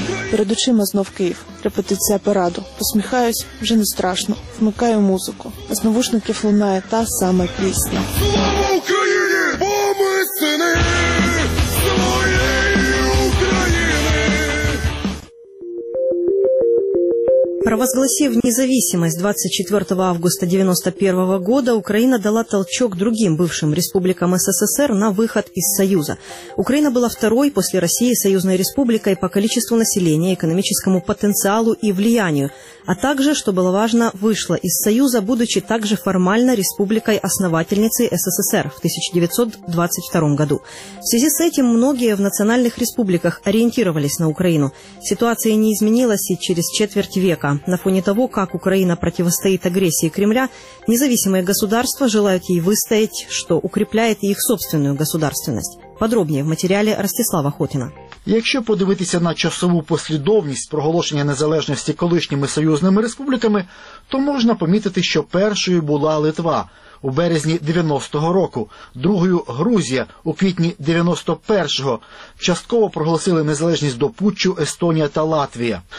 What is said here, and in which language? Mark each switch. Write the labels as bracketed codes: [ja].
[uk] Перед очима знов Київ. Репетиція параду. Посміхаюсь, вже не страшно. Вмикаю музику. З навушників лунає та сама пісня. Слава Україні! Бо ми сини своєї України! [ru] Провозгласив независимость 24 августа 1991 года, Украина дала толчок другим бывшим республикам СССР на выход из Союза. Украина была второй после России союзной республикой по количеству населения, экономическому потенциалу и влиянию, а также, что было важно, вышла из Союза, будучи также формально республикой-основательницей СССР в 1922 году. В связи с этим многие в национальных республиках ориентировались на Украину. Ситуация не изменилась и через четверть века. На фоне того, как Украина противостоит агрессии Кремля, независимые государства желают ей выстоять, что укрепляет их собственную государственность. Подробнее в материале Ростислава Хотина. [uk] Якщо подивитися на часову послідовність проголошення незалежності колишніми союзними республіками, то можна помітити, що першою була Литва у березні 90-го року, другою – Грузія у квітні 91-го. Частково проголосили незалежність до путчу Естонія та Латвія.